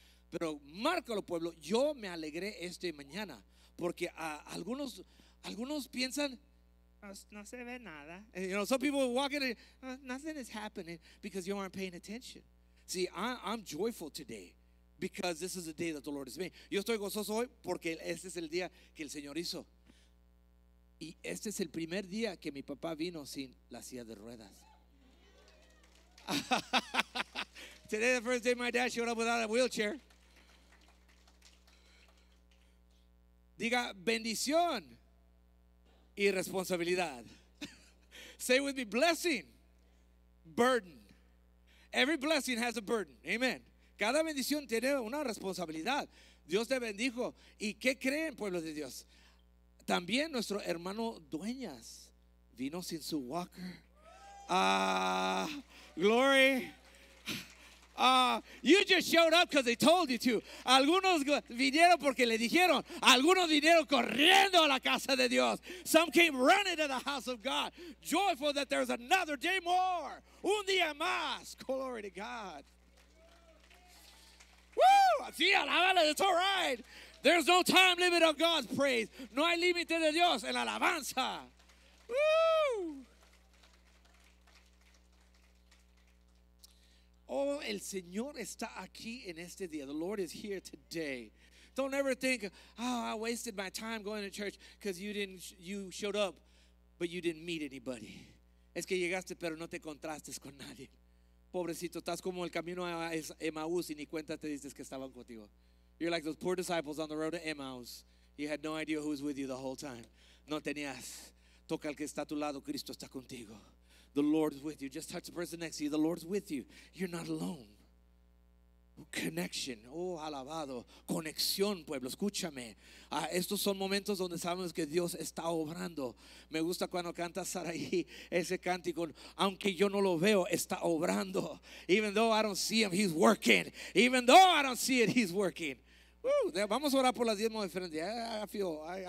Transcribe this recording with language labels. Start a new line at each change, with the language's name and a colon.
Spanish: Pero márcalo, pueblo, yo me alegré esta mañana. Porque algunos piensan, no se ve nada.
English: You know, some people are walking and nothing is happening because you aren't paying attention. See, I'm joyful today because this is the day that the Lord has made.
Spanish: Yo estoy gozoso hoy porque este es el día que el Señor hizo. Y este es el primer día que mi papá vino sin la silla de ruedas.
English: Today is the first day my dad showed up without a wheelchair.
Spanish: Diga bendición y responsabilidad.
English: Say with me, blessing, burden. Every blessing has a burden. Amen.
Spanish: Cada bendición tiene una responsabilidad. Dios te bendijo. ¿Y qué creen, pueblo de Dios? También nuestro hermano Dueñas vino sin su walker.
English: Glory. You just showed up because they told you to.
Spanish: Algunos vinieron porque le dijeron. Algunos vinieron corriendo a la casa de Dios.
English: Some came running to the house of God, joyful that there's another day more.
Spanish: Un día más.
English: Glory to God. Woo!
Spanish: Sí, alábale,
English: it's all right. There's no time limit of God's praise.
Spanish: No hay límite de Dios en la alabanza. Woo! Oh, el Señor está aquí en este día.
English: The Lord is here today. Don't ever think, oh, I wasted my time going to church because you showed up, but you didn't meet anybody.
Spanish: Es que llegaste, pero no te encontraste con nadie. Pobrecito, estás como el camino a Emmaus y ni cuenta te diste que estaban contigo.
English: You're like those poor disciples on the road to Emmaus. You had no idea who was with you the whole time.
Spanish: No tenías. Toca al que está a tu lado, Cristo está contigo.
English: The Lord is with you. Just touch the person next to you. The Lord is with you. You're not alone. Connection.
Spanish: Oh, alabado. Conexión, pueblo. Escúchame. Estos son momentos donde sabemos que Dios está obrando. Me gusta cuando canta Sarai ese cántico. Aunque yo no lo veo, está obrando.
English: Even though I don't see him, he's working. Even though I don't see it, he's working. Woo.
Spanish: Vamos a orar por las diezmas de frente.